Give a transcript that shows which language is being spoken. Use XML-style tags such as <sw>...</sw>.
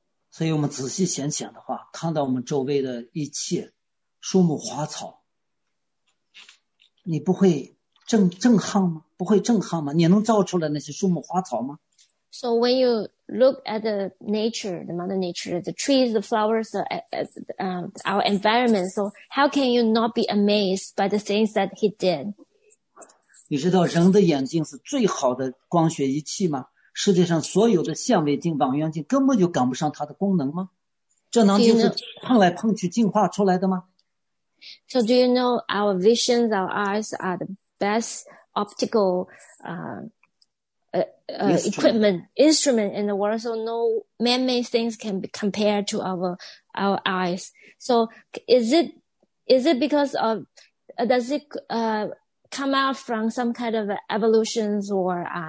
<zh>所以我们仔细想想的话看到我们周围的一切树木花草你不会震撼吗不会震撼吗你能造出来那些树木花草吗</zh> <en>So when you look at the nature, the mother nature, the trees, the flowers, our environment, so how can you not be amazed by the things that he did?</en> <zh>你知道人的眼睛是最好的光学仪器吗世界上所有的显微镜望远镜根本就赶不上它的功能吗这能就是碰来碰去进化出来的吗</zh> <en>So do you know our visions, our eyes are the best optical equipment in the world, so no man-made things can be compared to our eyes. So is it because of, does it come out from some kind of evolutions or</en>